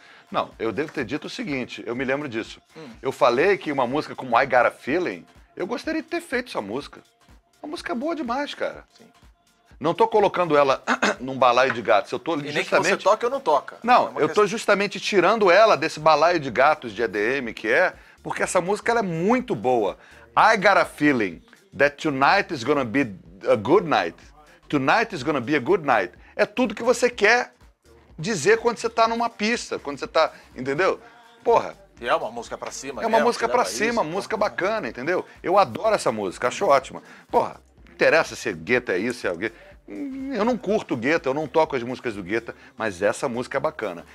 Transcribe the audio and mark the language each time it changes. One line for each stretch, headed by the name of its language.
Portuguese: Não, eu devo ter dito o seguinte, eu me lembro disso. Eu falei que uma música como I Got a Feeling, eu gostaria de ter feito essa música. Uma música boa demais, cara. Sim. Não tô colocando ela num balaio de gatos. Eu tô e justamente... nem que você toca ou não toca. Não, é eu questão. Tô justamente tirando ela desse balaio de gatos de EDM que é, porque essa música ela é muito boa.
English: I Got a Feeling that tonight is gonna be a good night. Tonight is gonna be a good night.
Portuguese: É tudo que você quer dizer quando você tá numa pista, quando você tá, entendeu? Porra, Que é uma música pra cima. É uma música pra cima, isso, música bacana, entendeu? Eu adoro essa música, acho ótima. Porra, interessa se Guetta é isso, se é o Guetta. Eu não curto Guetta, eu não toco as músicas do Guetta, mas essa música é bacana.